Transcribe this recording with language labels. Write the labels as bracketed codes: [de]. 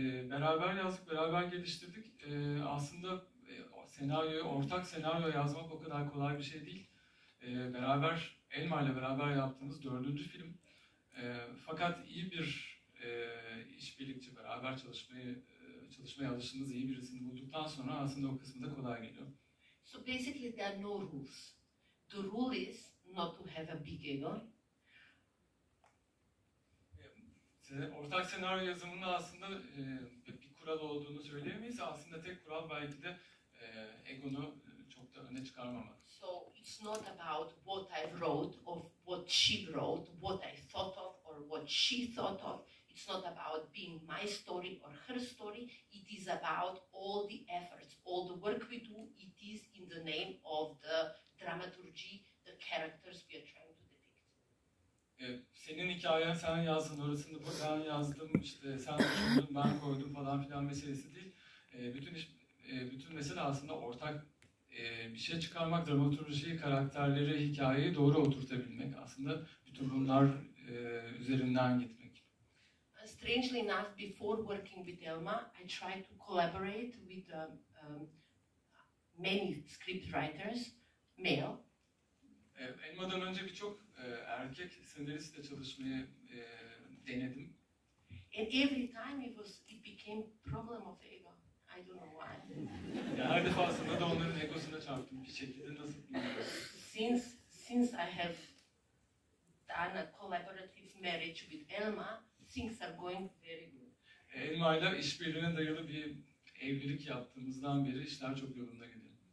[tr] Beraber yazdık, beraber geliştirdik. Aslında ortak senaryo yazmak o kadar kolay bir şey değil. Beraber, Elma ile beraber yaptığımız 4. film. Fakat iyi bir işbirlikçi, beraber çalışmaya alıştığımız iyi birisini bulduktan sonra aslında o kısmı da kolay geliyor. [en] So basically there are no rules. The rule is not to have a big ego. [tr] Ortak senaryo yazımında aslında bir kural olduğunu söyleyemeyiz. Aslında tek kural belki de egonu çok da öne çıkarmamak. [en] So it's not about what I wrote or what she wrote, what I thought of or what she thought of. It's not about being my story or her story. It is about all the efforts, all the work we do. It is in the name of the dramaturgy, the characters we are trying. [tr] Senin hikayen sen yazdın, orasını ben yazdım, işte sen düşündün, ben koydum falan filan meselesi değil. Bütün mesele aslında ortak bir şey çıkarmak, dramaturjiyi, karakterleri, hikayeyi doğru oturtabilmek. Aslında bütün bunlar üzerinden gitmek. [en] Strangely enough, before working with Elma, I tried to collaborate with many script writers, male. [tr] Elma'dan önce birçok erkek senaristle çalışmayı denedim. [en] And every time it became problem of ego. I don't know why. [tr] Ya her defasında da onların egosuna çarptım bir şekilde, nasıl bilmiyorum. [en] Since I have done a collaborative marriage with Elma, things are going very good. [tr] Elma ile işbirliğine dayalı bir evlilik yaptığımızdan beri işler çok yolunda gidiyor.